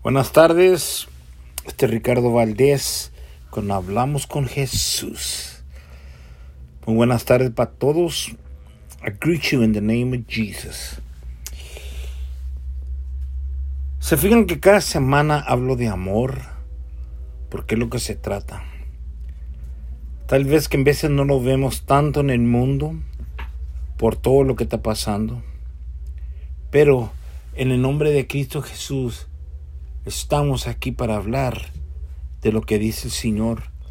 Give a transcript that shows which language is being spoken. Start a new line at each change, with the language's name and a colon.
Spanish: Buenas tardes, este es Ricardo Valdés con Hablamos con Jesús. Muy buenas tardes para todos.
English: I greet you in the name of Jesus.
Spanish: ¿Se fijan que cada semana hablo de amor? Porque es lo que se trata. Tal vez que en veces no lo vemos tanto en el mundo por todo lo que está pasando. Pero en el nombre de Cristo Jesús, estamos aquí para hablar de lo que dice el Señor.